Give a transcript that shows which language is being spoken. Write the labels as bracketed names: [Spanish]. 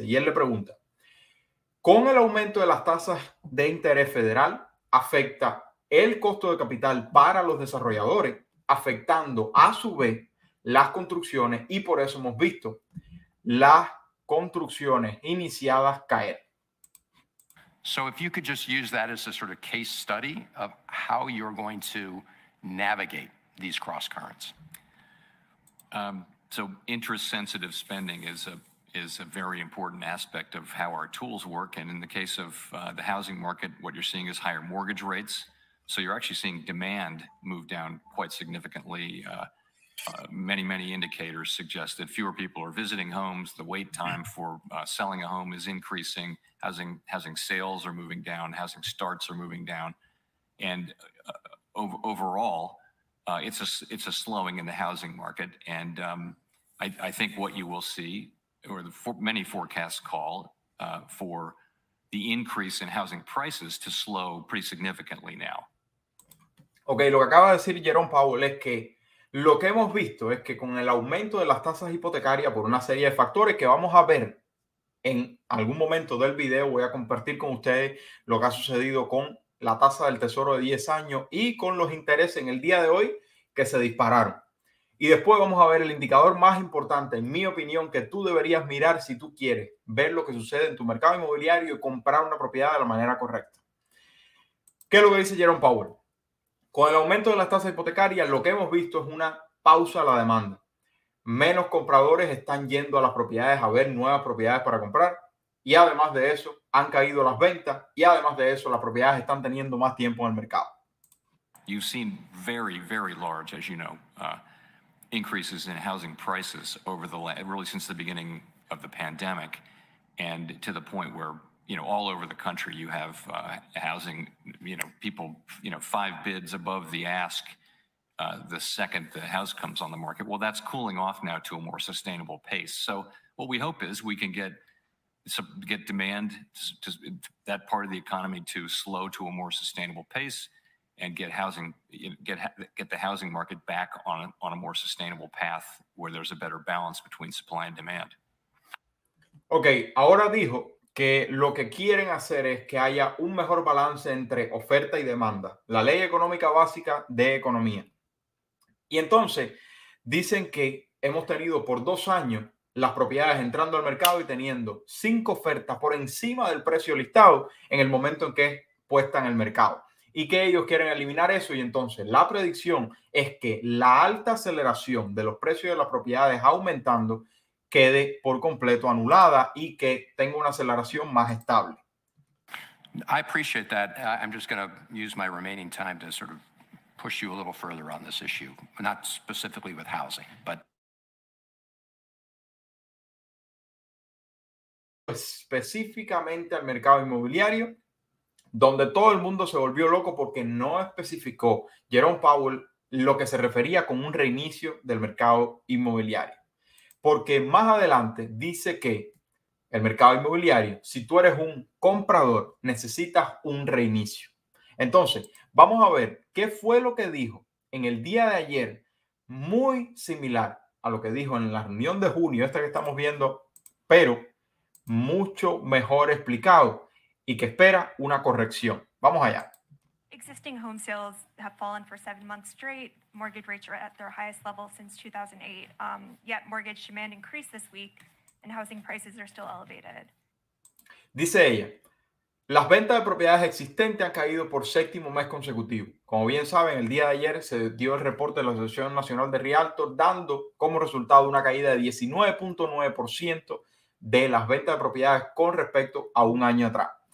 [Spanish] Y él le pregunta, con el aumento de las tasas de interés federal, afecta el costo de capital para los desarrolladores, afectando a su vez las construcciones, y por eso hemos visto las construcciones iniciadas caer. [English] So if you could just use that as a sort of case study of how you're going to navigate these cross currents. So interest sensitive spending is a very important aspect of how our tools work. And in the case of the housing market, what you're seeing is higher mortgage rates. So you're actually seeing demand move down quite significantly. Many, many indicators suggest that fewer people are visiting homes. The wait time for selling a home is increasing. Housing sales are moving down. Housing starts are moving down. And overall, it's a slowing in the housing market. And I think what you will see, or the many forecasts call for the increase in housing prices to slow pretty significantly now. [Spanish] Okay, lo que acaba de decir Jerome Powell es que lo que hemos visto es que con el aumento de las tasas hipotecarias por una serie de factores que vamos a ver en algún momento del video, voy a compartir con ustedes lo que ha sucedido con la tasa del tesoro de 10 años y con los intereses en el día de hoy que se dispararon. Y después vamos a ver el indicador más importante, en mi opinión, que tú deberías mirar si tú quieres ver lo que sucede en tu mercado inmobiliario y comprar una propiedad de la manera correcta. ¿Qué es lo que dice Jerome Powell? Con el aumento de las tasas hipotecarias, lo que hemos visto es una pausa a la demanda. Menos compradores están yendo a las propiedades a ver nuevas propiedades para comprar. Y además de eso, han caído las ventas. Y además de eso, las propiedades están teniendo más tiempo en el mercado. [English] You've seen very, very large, as you know, increases in housing prices over the really since the beginning of the pandemic, and to the point where, you know, all over the country you have housing, you know, people, you know, five bids above the ask the second the house comes on the market. Well, that's cooling off now to a more sustainable pace. So what we hope is we can get demand to that part of the economy to slow to a more sustainable pace, and get housing, get the housing market back on a more sustainable path where there's a better balance between supply and demand. [Spanish] Okay, ahora dijo que lo que quieren hacer es que haya un mejor balance entre oferta y demanda, la ley económica básica de economía. Y entonces dicen que hemos tenido por 2 años las propiedades entrando al mercado y teniendo 5 ofertas por encima del precio listado en el momento en que es puesta en el mercado. Y que ellos quieren eliminar eso. Y entonces la predicción es que la alta aceleración de los precios de las propiedades aumentando quede por completo anulada y que tenga una aceleración más estable. [English] I appreciate that. I'm just going to use my remaining time to sort of push you a little further on this issue, not specifically with housing, but [Spanish] específicamente al mercado inmobiliario, donde todo el mundo se volvió loco porque no especificó Jerome Powell lo que se refería con un reinicio del mercado inmobiliario. Porque más adelante dice que el mercado inmobiliario, si tú eres un comprador, necesitas un reinicio. Entonces, vamos a ver qué fue lo que dijo en el día de ayer, muy similar a lo que dijo en la reunión de junio, esta que estamos viendo, pero mucho mejor explicado y que espera una corrección. Vamos allá. [English] Existing home sales have fallen for 7 months straight. Mortgage rates are at their highest level since 2008. Yet mortgage demand increased this week and housing prices are still elevated. [Spanish] Dice ella, las ventas de propiedades existentes han caído por 7º mes consecutivo. Como bien saben, el día de ayer se dio el reporte de la Asociación Nacional de Realtors dando como resultado una caída de 19.9% de las ventas de propiedades con respecto a un año atrás.